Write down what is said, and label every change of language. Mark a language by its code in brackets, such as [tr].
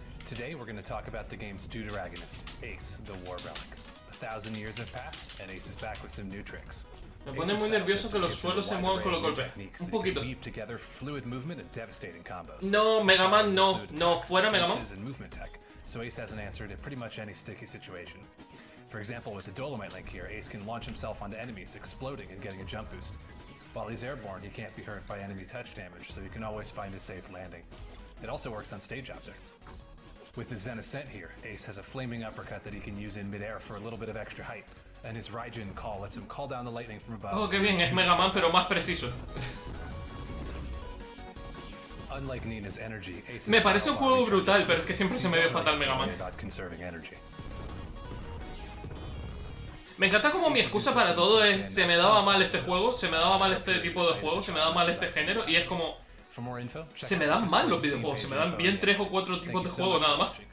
[en] Today we're going to talk about the game's deuteragonist, Ace the War Relic. 1,000 years have passed, and Ace is back with some new tricks. [es] Me pone muy nervioso que los suelos se muevan con los golpes. Un poquito. [en] Weave together fluid movement and devastating combos. [es] No, Mega Man, no, fuera Mega Man. [en] So Ace has an answer to pretty much any sticky situation. For example, with the Dolomite link here, Ace can launch himself onto enemies, exploding and getting a jump boost. While he's airborne, he can't be hurt by enemy touch damage, so you can always find a safe landing. It also works on stage objects. With the Zen Ascent here, Ace has a flaming uppercut that he can use in midair for a little bit of extra height, and his Raijin call lets him call down the lightning from above. [es] Oh, qué bien, es Mega Man, pero más preciso. [en] Unlike Nina's energy, Ace [es] me parece un juego brutal, pero es que siempre se me dio fatal Mega Man. [en] About conserving energy. [es] Me encanta como mi excusa para todo es se me daba mal este juego, se me daba mal este tipo de juego, se me daba mal este género, y es como se me dan mal los videojuegos, se me dan bien tres o cuatro tipos de juego nada más.